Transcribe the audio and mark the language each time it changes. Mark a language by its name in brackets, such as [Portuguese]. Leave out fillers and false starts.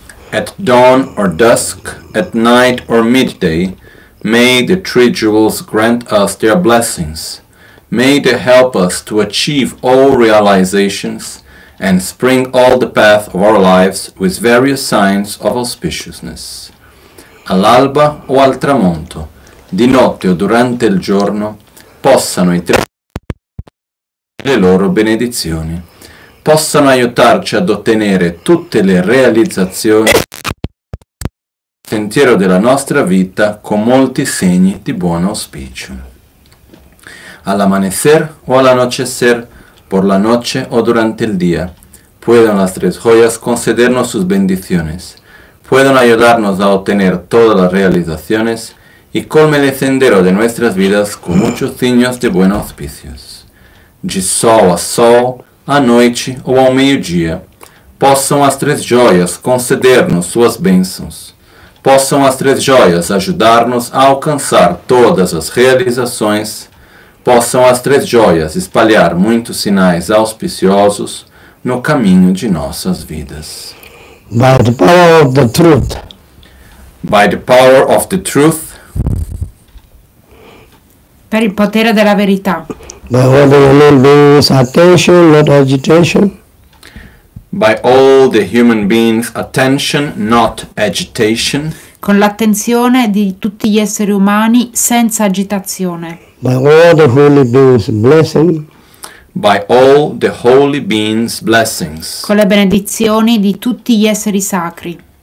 [English] At dawn or dusk, at night or midday, may the three jewels grant us their blessings. May they help us to achieve all realizations and spring all the path of our lives with various signs of auspiciousness. [Italian] All'alba o al tramonto, di notte o durante il giorno, possano i tre le loro benedizioni. Possano aiutarci ad ottenere tutte le realizzazioni del sentiero della nostra vita con molti segni di buon auspicio. [Spanish] All'amanecer o all'anochecer, por la noche o durante el día, puedan las tres joyas concedernos sus bendiciones, puedan ayudarnos a obtener todas las realizaciones y colmen el sendero de nuestras vidas con muchos signos de buen auspicios. [Portuguese] De sol a sol, à noite ou ao meio-dia, possam as três joias conceder-nos suas bênçãos. Possam as três joias ajudar-nos a alcançar todas as realizações. Possam as três joias espalhar muitos sinais auspiciosos no caminho de nossas vidas. [English] By the power of the truth. By the power of the truth. [Italian] Per il potere della verità. [English] By all the human beings' attention, not agitation. By all the human beings' attention, not agitation. [Italian] Con l'attenzione di tutti gli esseri umani, senza agitazione. [English] By all the holy beings' blessing. By all the holy beings' blessings. [Italian] Con le benedizioni di tutti gli esseri sacri.